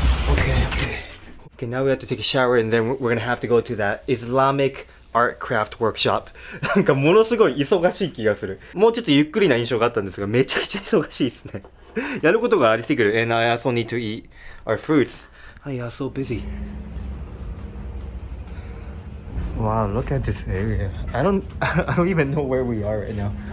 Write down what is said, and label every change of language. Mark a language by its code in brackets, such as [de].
[en] Okay, now we have to take a shower and then we're gonna have to go to that Islamic art craft workshop. [ja] なんかものすごい忙しい気がする。もうちょっとゆっくりな印象があったんですが、めちゃくちゃ忙しいですね。やることがありすぎる。 [en] And I also need to eat our fruits. I am so busy. Wow, look at this area. I don't even know where we are right now.